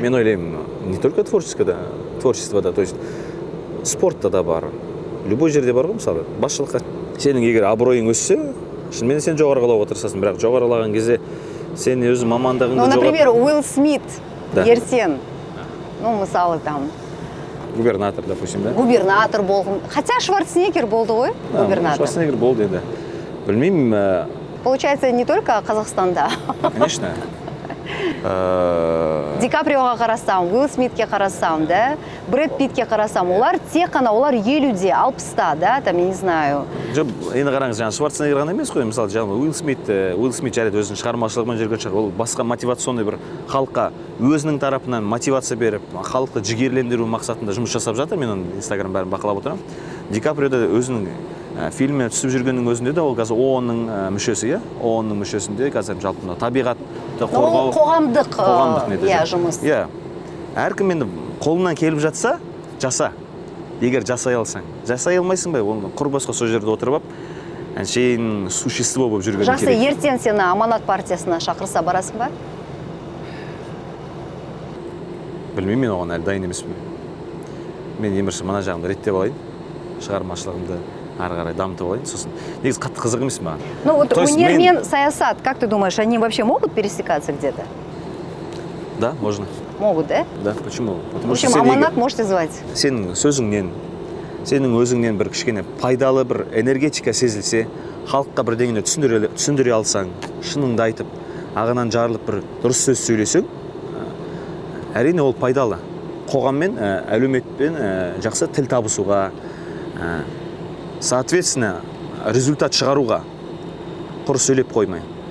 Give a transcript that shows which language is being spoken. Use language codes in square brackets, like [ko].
[kk] Мен ойлаймын, [ru] не только творчествода, [kk] то есть спортта да бар, любой жерде бар ғой, мысалы, басшылыққа. Сенің егер абыройың өссе, шынымен сен жоғарылауға тырысасың, бірақ жоғарылаған кезде сен өзің мамандығыңды жоғары. Например, Уилл Смит. Да. Ерсен, ну, мысалы, там... [ru] Губернатор, допустим, да? [kk] Губернатор болған. Хотя Шварценеггер болды, ой, [ru] да, [kk] губернатор. Шварценеггер болды, да. Білмеймін... [ru] Получается, не только Қазақстанда. Конечно. [kk] Ди Каприоға қарасам, Уилл Смитке қарасам, да? Брэд Питке қарасам. Олар тек қана, олар елуде, алпыста, да? [ru] Там, я не знаю. [kk] Жоп, енді қараңыз, жаңа Шварценеггер ғана емес қой, мысалы, жаңа Уилл Смит жарайды өзінің шығармашылығымен жерге шығар. Ол басқа мотивационный бір халыққа өзінің тарапынан мотивация беріп, халықты жігерлендіру мақсатында жұмыс жасап жатыр. Мен оның Инстаграм бәрін бақылап отырам. Ди Каприода өзінің фильмі түсіп жүргеннің өзінде де ол қазір ООН-ның мүшесі, иә? ООН-ның мүшесінде қазір жалпы табиғатты қорғау қоғамдық не деген жұмыс. Иә. Әркім енді қолынан келіп жатса, жаса. Егер жасай алсаң. Жасай алмайсың ба? Оны құр басқа сол жерде отырып, әншейін сушисті болып жүргенің керек. Жаса, ертең сені Аманат партиясына шақырса барасың ба? Білмеймін, мен оған әлі дайын емеспін. Мен ең бірінші мына жағымды реттеп алайын. Шығармашылығымды ары қарай дамытып алайын, сосын негізі қатты қызық емес маған. [ru] Ну вот [kk] өнер мен саясат, [ru] как ты думаешь, они вообще могут пересекаться где-то? Да, можно. Могут, да? Да, почему? Потому что сен, Аманат можете звать. [kk] Сенің сөзіңнен, сенің өзіңнен бір кішкене пайдалы бір энергетика сезілсе, халыққа бірдеңені түсіндіре алсаң, шыныңды айтып, ағынан жарылып бір дұрыс сөз сөйлесең, әрине ол пайдалы. Қоғаммен, әлеуметпен жақсы тіл табысуға, соответственно, результат шығаруға құр сөйлеп қоймай.